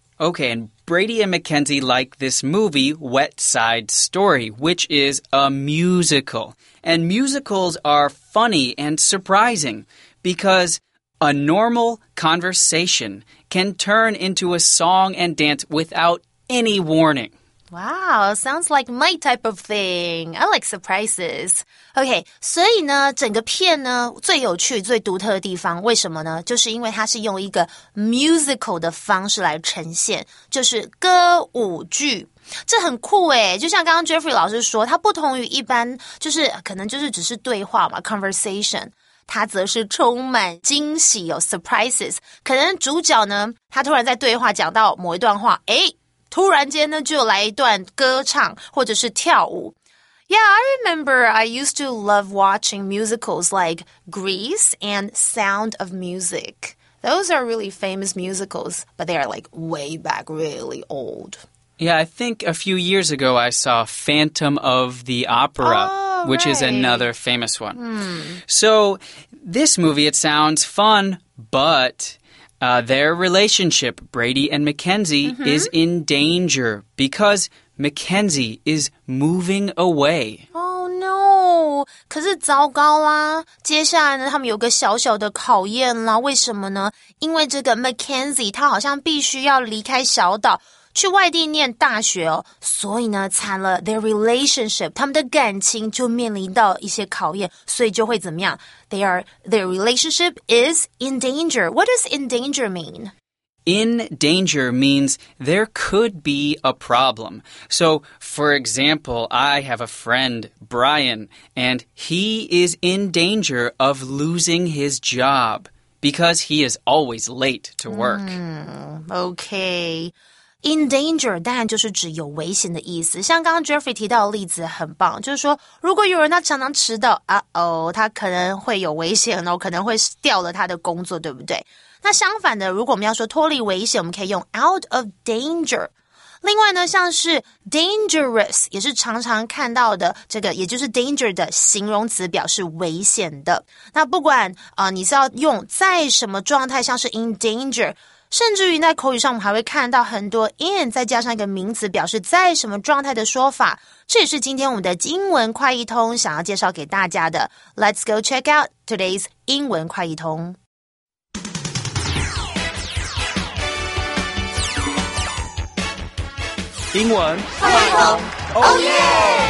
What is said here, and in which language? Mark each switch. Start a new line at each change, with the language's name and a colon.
English: OK, and Brady and Mackenzie like this movie, Wet Side Story, which is a musical. And musicals are funny and surprising because a normal conversation can turn into a song and dance without any warning. Wow, sounds like my type of thing. I like surprises.
Chinese: OK, 所以呢，整个片呢，最有趣、最独特的地方，为什么呢？就是因为它是用一个 musical 的方式来呈现，就是歌舞剧。这很酷耶，就像刚刚 Jeffrey 老师说，它不同于一般，就是可能就是只是对话嘛 conversation。他则是充满惊喜，有 surprises。可能主角呢，他突然在对话讲到某一段话，诶，突然间呢，就来一段歌唱或者是跳舞。
English: Yeah, I remember I used to love watching musicals like Grease and Sound of Music. Those are really famous musicals, but they are like way back, really old. Yeah, I think a few years ago I saw Phantom of the Opera. Which is another famous one. So, this movie, it sounds fun, but their relationship, Brady and Mackenzie, is in danger because Mackenzie is moving away. Oh, no.
Chinese: 可是糟糕啦。接下来呢，他们有个小小的考验啦。为什么呢？因为这个 Mackenzie, 他好像必须要离开小岛。去外地念大学哦，所以呢，惨了 ，their relationship， 他们的感情就面临到一些考验，所以就会怎么样 ？
English: Their relationship is in danger. What does in danger mean? In danger means there could be a problem. So, for example, I have a friend, Brian, and he is in danger of losing his job because he is always late to work. Okay.
Chinese: In danger, 当然就是指有危险的意思。像刚刚 Jeffrey 提到的例子很棒，就是说如果有人他常常迟到，他可能会有危险哦，可能会掉了他的工作，对不对？那相反的，如果我们要说脱离危险，我们可以用 out of danger。另外呢，像是 dangerous 也是常常看到的这个，也就是 danger 的形容词，表示危险的。那不管你是要用在什么状态，像是 in danger。甚至于在口语上我们还会看到很多 in 再加上一个名词表示在什么状态的说法。这也是今天我们的英文快译通想要介绍给大家的。
English: Let's go check out today's 英文快译通。
Chinese: 英文快译通
English: Oh yeah!